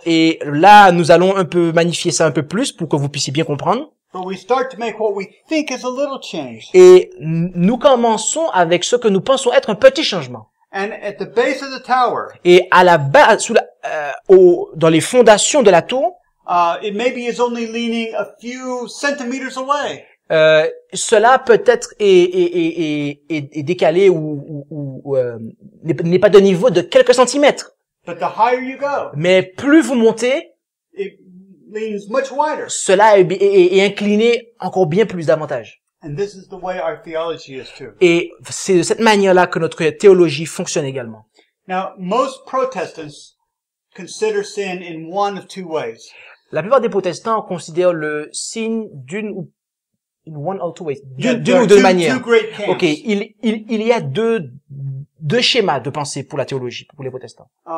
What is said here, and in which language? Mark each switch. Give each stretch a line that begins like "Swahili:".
French: Et là, nous allons un peu magnifier ça un peu plus pour que vous puissiez bien comprendre.
English: But we start to make what we think is a little change.
French: Et nous commençons avec ce que nous pensons être un petit changement.
English: And at the base of the tower.
French: Et à la base, sous la, au, dans les fondations de la tour.
English: It maybe is only leaning a few centimeters away.
French: Cela peut-être est décalé ou n'est pas de niveau de quelques centimètres.
English: But the higher you go.
French: Mais plus vous montez.
English: Leans much wider.
French: Cela est incliné encore bien plus davantage.
English: And this is the way our theology is too.
French: Et c'est de cette manière-là que notre théologie fonctionne également.
English: Now, most Protestants consider sin in one of two ways.
French: La plupart des protestants considèrent le sin d'une ou deux manières.
English: Two great camps.
French: Okay, il y a deux schémas de pensée pour la théologie pour les protestants.